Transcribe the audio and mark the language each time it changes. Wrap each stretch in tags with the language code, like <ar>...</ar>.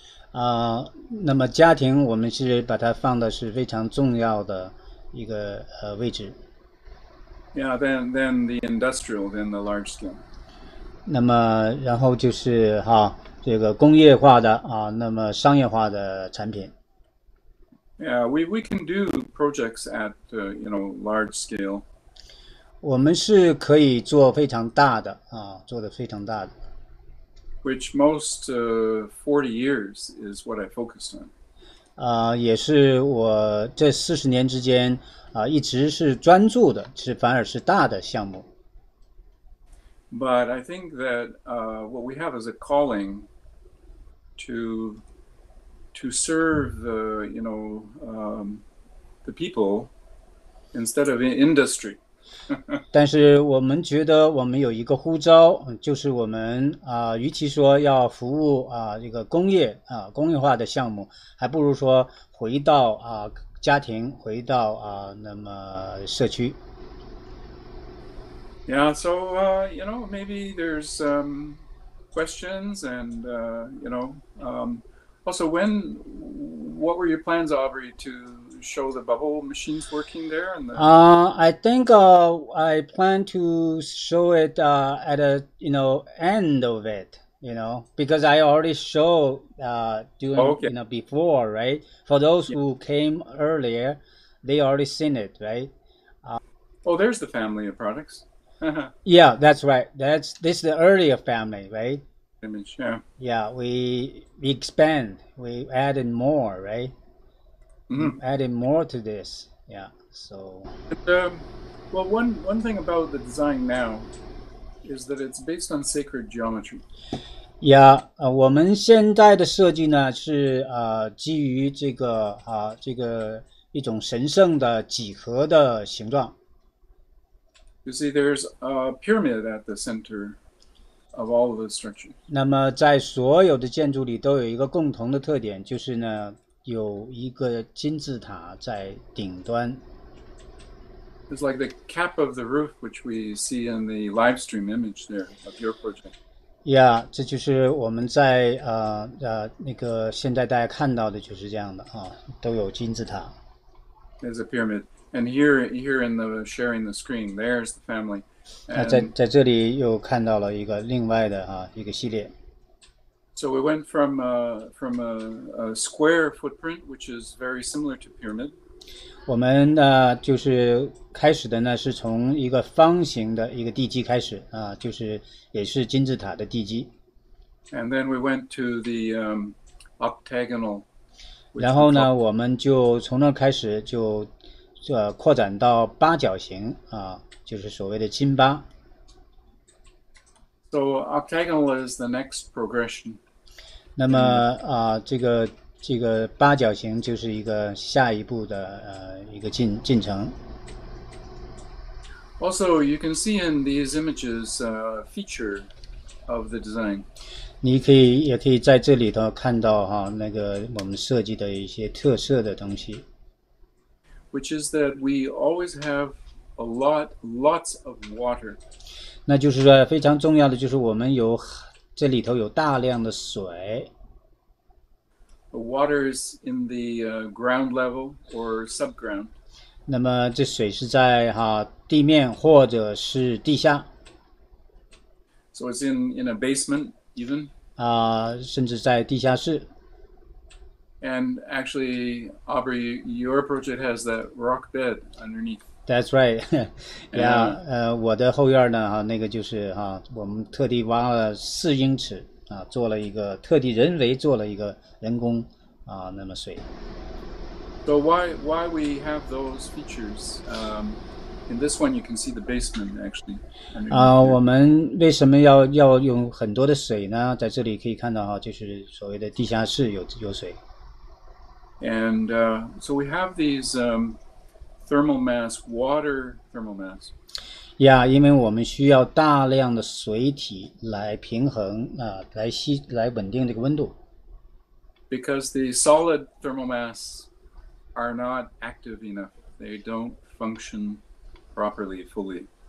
<zh>那么家庭我们是把它放的是非常重要的一个位置。</zh> <en>Yeah, then the industrial, then the large scale.</en> <zh>那么然后就是哈、啊、这个工业化的啊，那么商业化的产品。</zh> <en>Yeah, we can do projects at you know large scale.</en> <zh>我们是可以做非常大的啊，做的非常大的。</zh> <en>Which most 40 years is what I focused on.</en> <zh>也是我这40年之间一直是专注的，是反而是大的项目。</zh> <en>But I think that what we have is a calling to serve the, you know, the people instead of industry.</en> <zh>但是我们觉得我们有一个呼召，就是我们与其说要服务这个工业工业化的项目，还不如说回到家庭，回到那么社区。</zh> <en>Yeah, so you know, maybe there's questions, and you know, also what were your plans, Aubrey, to show the bubble machines working there? I think I plan to show it at the end of it, you know, because I already showed you know, before, right? For those who came earlier, they already seen it, right? There's the family of products. Yeah, that's right. This is the earlier family, right? Image, yeah. Yeah, we expand. We add in more, right? Mm-hmm. Adding more to this, yeah. So, One thing about the design now is that it's based on sacred geometry.</en> <zh>Yeah, 我们现在的设计呢是基于这个这个一种神圣的几何的形状。</zh> <en>You see, there's a pyramid at the center of all of the structures.</en> <zh>那么在所有的建筑里都有一个共同的特点，就是呢。有一个金字塔在顶端。</zh> <en>It's like the cap of the roof, which we see in the live stream image there of your project.</en> <zh>Yeah, 这就是我们在那个现在大家看到的就是这样的啊，都有金字塔。</zh> <en>There's a pyramid, and here in the sharing the screen, there's the family.</en> <zh>那在这里又看到了一个另外的一个系列。</zh> <en>So we went from a square footprint, which is very similar to pyramid.</en> <zh>我们就是开始的呢，是从一个方形的一个地基开始就是也是金字塔的地基。</zh> <en>And then we went to the octagonal.</en> <zh>然后呢，我们就从那开始就扩展到八角形就是所谓的金八。</zh> <en>So octagonal is the next progression.</en> <zh>那么这个八角形就是一个下一步的一个进程。</zh> <en>Also, you can see in these images a feature of the design.</en> <zh>你也可以在这里头看到那个我们设计的一些特色的东西。</zh> <en>Which is that we always have a lots of water.</en> <zh>那就是说非常重要的就是我们有这里头有大量的水。</zh> <en>The water is in the ground level or subground.</en> <zh>那么这水是在地面或者是地下。</zh> <en>So it's in a basement even.</en> <zh>甚至在地下室。</zh> <en>And actually, Aubrey, your project has that rock bed underneath. That's right. Yeah.</en> <zh>我的后院呢那个就是我们特地挖了四英尺。做了一个特地人为做了一个人工那么水。</zh> <en>So why we have those features? In this one, you can see the basement actually.</en> <zh>我们为什么要用很多的水呢？在这里可以看到就是所谓的地下室有水。</zh> <en>And so we have these thermal mass, water thermal mass.</en> <zh>Yeah, 因为我们需要大量的水体来平衡来稳定这个温度。</zh> <en>Because the solid thermal mass are not active enough, they don't function properly fully.</en>